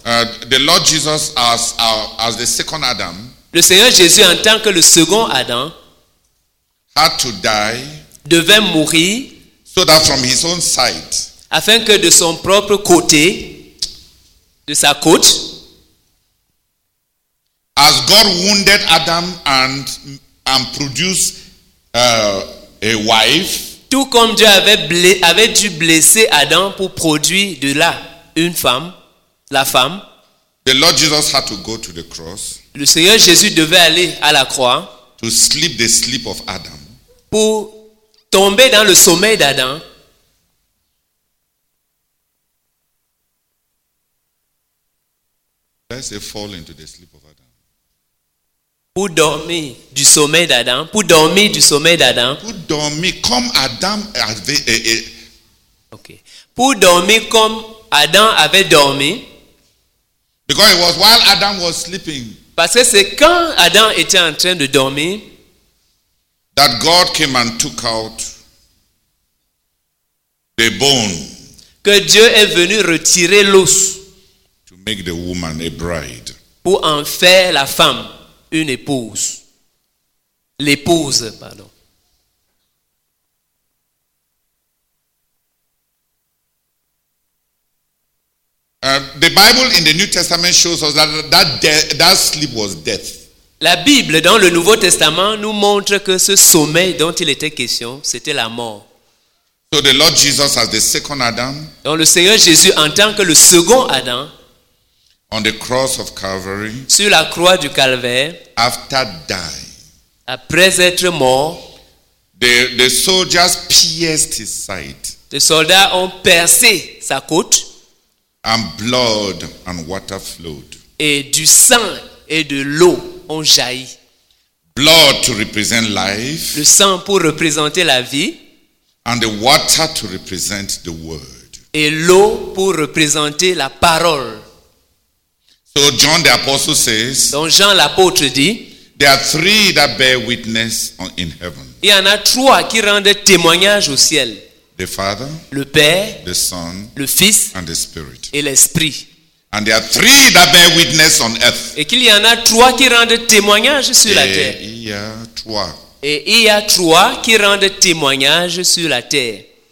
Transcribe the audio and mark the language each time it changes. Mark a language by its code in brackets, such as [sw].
[en] The Lord Jesus as the second Adam. [fr] Le Seigneur Jésus en tant que le second Adam. [en] Had to die. [fr] Devait mourir. [en] So that from his own side, [fr] afin que de son propre côté, de sa côte, [en] as God wounded Adam and produced a wife, [fr] tout comme Dieu avait dû blesser Adam pour produire de là une femme, la femme. [en] The Lord Jesus had to go to the cross. [fr] Le Seigneur Jésus devait aller à la croix. [en] To sleep the sleep of Adam. [fr] Pour tomber dans le sommeil d'Adam. [en] Let's say fall into the sleep of Adam. [fr] Pour dormir du sommeil d'Adam. Pour dormir du sommeil d'Adam. Pour dormir comme Adam avait. Okay. Pour dormir comme Adam avait dormi. [en] Because it was while Adam was sleeping. [fr] Parce que c'est quand Adam était en train de dormir. [en] That God came and took out the bone. [fr] Que Dieu est venu retirer l'os. [en] To make the woman a bride. [fr] Pour en faire la femme une épouse. L'épouse, pardon. [en] The Bible in the New Testament shows us that sleep was death. [fr] La Bible dans le Nouveau Testament nous montre que ce sommeil dont il était question, c'était la mort. [en] So the Lord Jesus as the second Adam. [fr] Donc le Seigneur Jésus en tant que le second Adam. [en] On the cross of Calvary. [fr] Sur la croix du calvaire. [en] After die. [fr] Après être mort. [en] The soldiers pierced his side. [fr] Les soldats ont percé sa côte. [en] And blood and water flowed. [fr] Et du sang et de l'eau ont jailli. [en] Blood to represent life. [fr] Le sang pour représenter la vie. [en] And the water to represent the word. [fr] Et l'eau pour représenter la parole. [en] So John the apostle says. [fr] Donc Jean l'apôtre dit. [en] There are three that bear witness in heaven. [fr] Il y en a trois qui rendent témoignage au ciel. [en] The Father. [fr] Le Père. [en] The Son. [fr] Le Fils. [en] And the Spirit. [fr] Et l'Esprit. [en] And there are three that bear witness on earth. [fr] Et qu'il y en a trois qui rendent témoignage sur et la terre. Il y a trois. Et il y a trois qui rendent témoignage sur la terre.